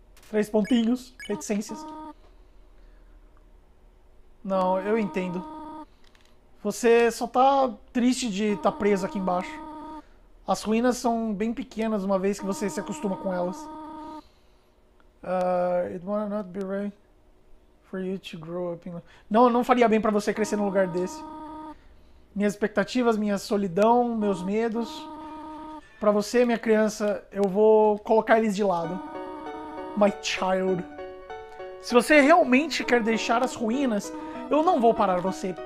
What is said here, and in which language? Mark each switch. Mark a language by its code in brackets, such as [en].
[pt] 3 pontinhos. Reticências. Não, eu entendo. Você só tá triste de tá preso aqui embaixo. As ruínas são bem pequenas uma vez que você se acostuma com elas. [en] It might not be right for you to grow up in... [pt] Não, não faria bem pra você crescer num lugar desse. Minhas expectativas, minha solidão, meus medos. Pra você, minha criança, eu vou colocar eles de lado. [en] My child. [pt] Se você realmente quer deixar as ruínas, eu não vou parar você.